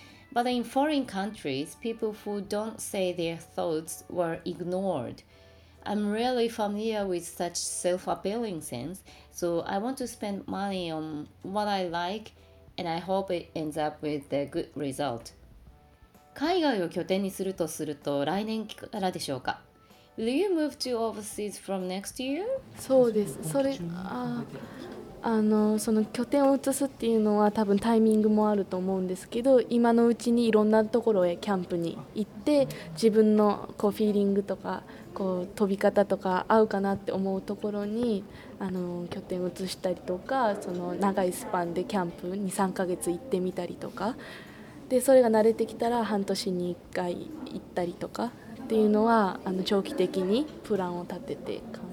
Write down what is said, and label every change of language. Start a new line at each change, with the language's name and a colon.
English: But in foreign countries, people who don't say their thoughts were ignored. I'm really familiar with such self-appealing sense, so I want to spend money on what I like, and I hope it ends up with a good result.
Japanese: 海外を拠点にするとすると来年からでしょうか?
English: Will you move to overseas from next year?
Japanese: そうです。それ、あー。その拠点を移すっていうのは多分タイミングもあると思うんですけど、今のうちにいろんなところへキャンプに行って、自分のこうフィーリングとかこう飛び方とか合うかなって思うところに拠点を移したりとか、その長いスパンでキャンプに3ヶ月行ってみたりとかで、それが慣れてきたら半年に1回行ったりとかっていうのは長期的にプランを立てて。